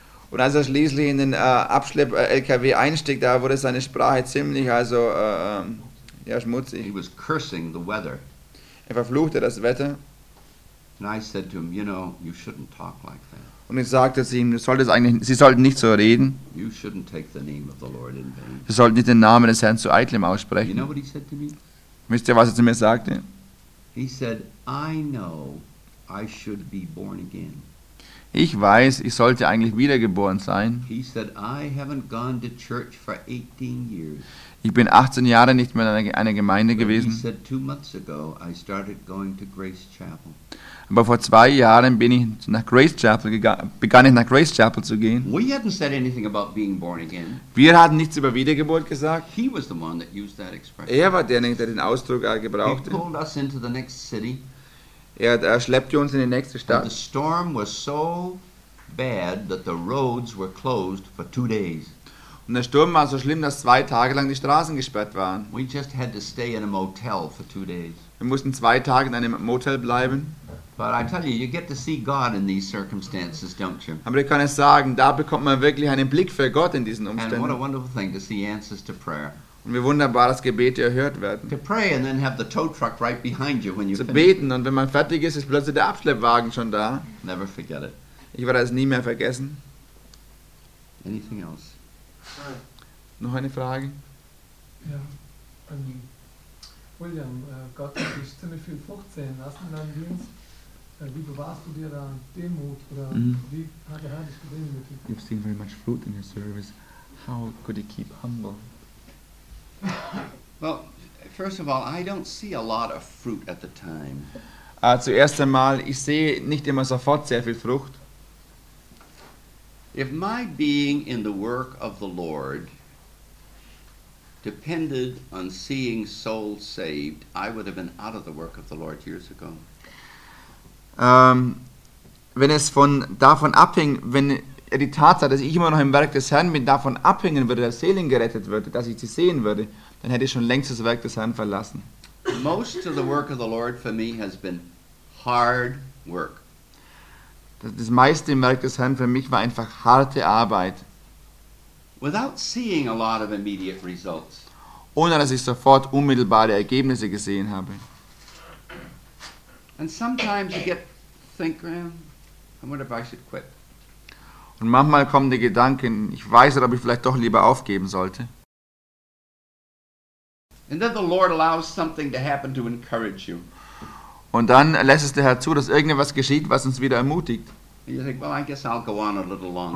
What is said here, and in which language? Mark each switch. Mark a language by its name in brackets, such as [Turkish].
[German] Und als er schließlich in den Abschlepp-LKW einstieg, da wurde seine Sprache ziemlich, schmutzig. [English] He was cursing the weather. [German] Er verfluchte das Wetter. [English] And I said to him, you know, you shouldn't talk like that. [German] Und ich sagte zu ihm, Sie sollten nicht so reden. [English] You shouldn't take the name of the Lord in vain. [German] Sie sollten nicht den Namen des Herrn zu eitlem aussprechen. [English] You know what he said to me? [German] Wisst ihr, was er zu mir sagte? [English] He said, I know I should be born again. [German] Ich weiß, ich sollte eigentlich wiedergeboren sein. [English] He said, I haven't gone to church for 18 years. [German] Ich bin 18 Jahre nicht mehr in einer Gemeinde gewesen. [English] He said, 2 months ago I started going to Grace Chapel. [German] Aber vor 2 Jahren bin ich nach Grace Chapel begann ich nach Grace Chapel zu gehen. [English] We hadn't said anything about being born again. [German] Wir hatten nichts über Wiedergeburt gesagt. [English] He was the one that used that expression. [German] Er war derjenige, der den Ausdruck gebrauchte. [English] He pulled us into the next city. [German] Er schleppte uns in die nächste Stadt. [English] And the storm was so bad that the roads were closed for 2 days. [German] Und der Sturm war so schlimm, dass 2 Tage lang die Straßen gesperrt waren. [English] We just had to stay in a motel for 2 days. [German] Wir mussten 2 Tage in einem Motel bleiben. [English] But I tell you get to see God in these circumstances, don't you? [German] Aber ich kann es sagen, da bekommt man wirklich einen Blick für Gott in diesen Umständen. [English] And what a wonderful thing to see answers to prayer. [German] Und wie wunderbar, dass Gebete erhört werden. [English] To pray and then have the tow truck right behind you when you [German] zu beten und wenn man fertig ist, ist plötzlich der Abschleppwagen schon da. [English] Never forget it. [German] Ich werde es nie mehr vergessen. [English] Anything else? [German] Hi. Noch eine Frage? Ja. William, Gott hat dich ziemlich viel Frucht sehen lassen in deinem Dienst. Wie bewahrst du dir da Demut? Oder wie hat der Herr dich gesehen mit dir? [English] You've seen very much fruit in your service. How could he keep humble? Well, first of all, I don't see a lot of fruit at the time. [German] Zuerst einmal, ich sehe nicht immer sofort sehr viel Frucht. [English] If my being in the work of the Lord depended on seeing souls saved, I would have been out of the work of the Lord years ago. [German] Wenn es von davon abhing, wenn er die Tatsache, dass ich immer noch im Werk des Herrn bin, davon abhängen würde, dass Seelen gerettet würde, dass ich sie sehen würde, dann hätte ich schon längst das Werk des Herrn verlassen. [English] Most of the work of the Lord for me has been hard work. [German] Das meiste im Werk des Herrn für mich war einfach harte Arbeit. [English] Without seeing a lot of immediate results. [German] Ohne dass ich sofort unmittelbare Ergebnisse gesehen habe. [English] And sometimes you get think, I wonder if I should quit. [German] Und manchmal kommen die Gedanken, ich weiß nicht, ob ich vielleicht doch lieber aufgeben sollte. [English] And then the Lord allows something to happen to encourage you. [German] Und dann lässt es der Herr zu, dass irgendetwas geschieht, was uns wieder ermutigt. [English] And you think, well, I guess I'll go on a little longer.